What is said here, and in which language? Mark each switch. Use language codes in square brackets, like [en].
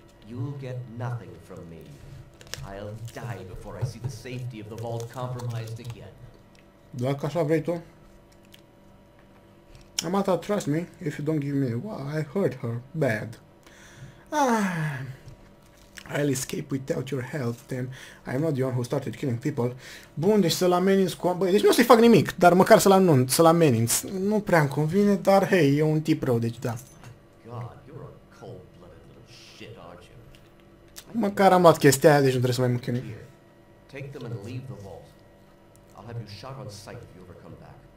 [en] You'll get nothing from me. I'll die before I see the safety of the vault compromised again. [ro] Dacă așa vrei tu. [en] Amata, trust me, if you don't give me well, I hurt her bad. I'll escape without your help, then. I'm not the one who started killing people. [ro] Bun, deci să-l ameninț cu... Băi, deci nu o să-i fac nimic, dar măcar să-l anunț, să-l ameninț. Nu prea-mi convine, dar hei, e un tip rău, deci da. [en] God, you're a cold-blooded little shit, aren't you? [ro] Măcar am luat chestia aia, deci nu trebuie să mai mâncă nimic. [en] Take them and leave the vault. I'll have you shot on sight if you ever come back.